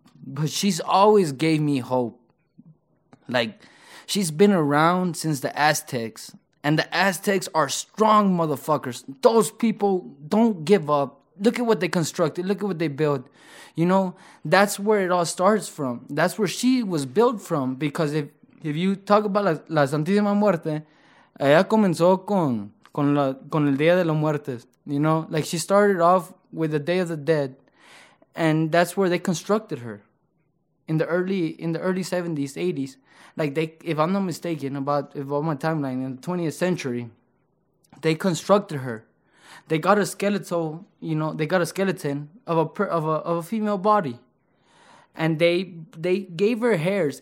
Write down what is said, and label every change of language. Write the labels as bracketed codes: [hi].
[en] but she's always gave me hope. Like, she's been around since the Aztecs, and the Aztecs are strong motherfuckers. Those people don't give up. Look at what they constructed. Look at what they built. You know, that's where it all starts from. That's where she was built from. Because if you talk about [es] la Santísima Muerte, ella comenzó con el Día de los Muertes. [en] You know, like she started off with the Day of the Dead, and that's where they constructed her. In the early 70s, 80s, like they, if I'm not mistaken about if on my timeline, in the 20th century, they constructed her. They got a skeletal, you know, they got a skeleton of a female body, and they gave her hairs.